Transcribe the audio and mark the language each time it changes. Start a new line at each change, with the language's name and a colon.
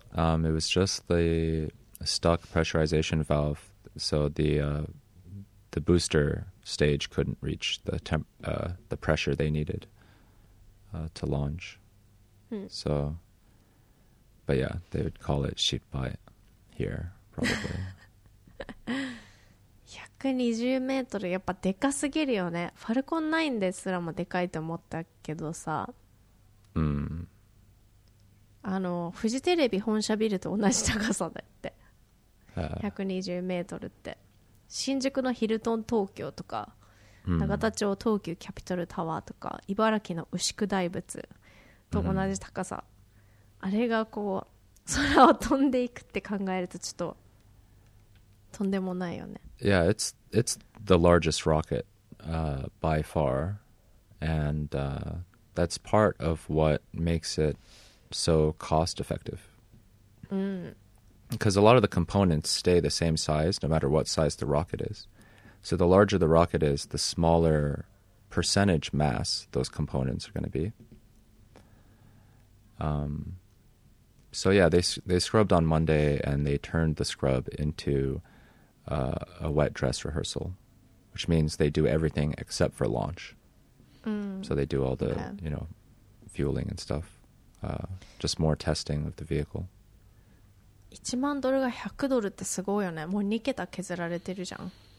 English: It was just the stuck pressurization valve, so the booster stage couldn't reach the pressure they needed to launch. So, but yeah, they would call it 失敗 here.
Japanese: 120メートル、やっぱでかすぎるよね。ファルコン9ですらもでかいと思ったけどさ、あのフジテレビ本社ビルと同じ高さだって、120メートルって。新宿のヒルトン東京とか、永田町東急キャピトルタワーとか、茨城の牛久大仏と同じ高さ、あれがこう空を飛んでいくって考えるとちょっととんでもないよね。
English: Yeah, it's the largest rocket by far, and that's part of what makes it so cost effective. Because a lot of the components stay the same size no matter what size the rocket is. So the larger the rocket is, the smaller percentage mass those components are going to be. So yeah, they scrubbed on Monday and they turned the scrub into a wet dress rehearsal, which means they do everything except for launch. So they do all the, you know, fueling and stuff. Just more testing of the vehicle.
Japanese: 1万ドルが100ドルってすごいよね。もう2桁削られてるじゃん。